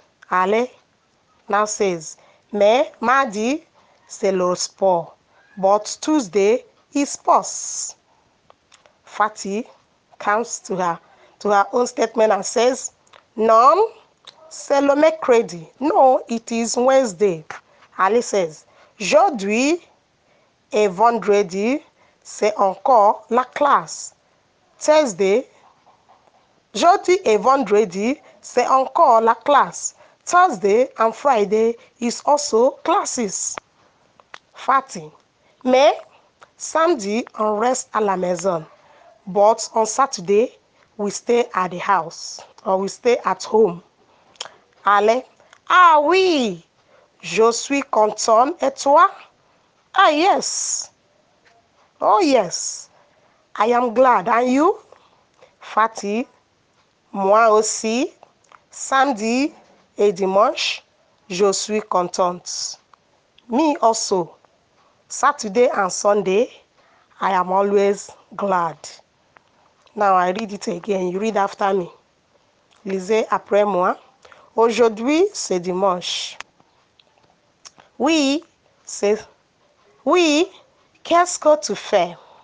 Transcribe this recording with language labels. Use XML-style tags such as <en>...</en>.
<en>Ali now says,</en> <fr>mais mardi, c'est le sport.</fr> <en>But Tuesday is sports. Fatih comes to her own statement and says,</en> <fr>non. C'est le mercredi.</fr> <en>No, it is Wednesday. Ali says,</en> <fr>aujourd'hui et vendredi, c'est encore la classe.</fr> <en>Thursday,</en> <fr>aujourd'hui et vendredi, c'est encore la classe.</fr> <en>Thursday and Friday is also classes. Fatih.</en> <fr>Mais samedi, on reste à la maison.</fr> <en>But on Saturday, we stay at the house or we stay at home.</en> <fr>Allez. Ah oui, je suis contente. Et toi?</fr> <en>Ah yes. Oh yes. I am glad. And you? Fatih</en> <fr>Moi aussi, samedi et dimanche, je suis contente.</fr> <en>Me also, Saturday and Sunday, I am always glad. Now I read it again. You read after me.</en> <fr>Lisez après moi. Aujourd'hui, c'est dimanche. Oui, qu'est-ce que tu fais?</fr>